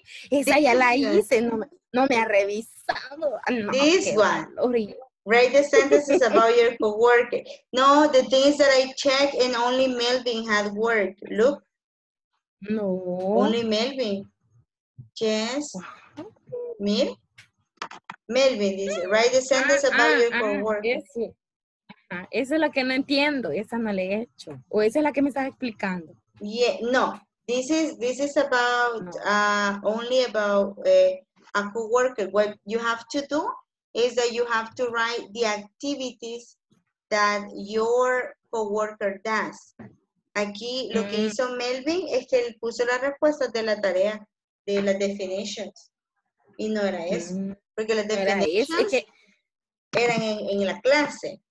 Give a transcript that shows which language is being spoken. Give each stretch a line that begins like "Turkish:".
Spanish: Esa ya la hice, no me ha revisado.
English: No, this one. Write the sentences about your co-worker. No, the thing is that I checked and only Melvin had work. Look. No. Only Melvin. Yes. Mir?
Spanish: Melvin dice,
English: write the sentence about your co-worker.
Spanish: Eso es lo que no entiendo. Esa no le he hecho. O esa es la que me estás explicando.
English: Yeah, no. This is about, no. Only about a co-worker. What you have to do is that you have to write the activities that your coworker does.
Spanish: Aquí lo que hizo Melvin es que él puso las respuestas de la tarea, de las definitions. Y no era eso. Porque las definitions era eran en la clase.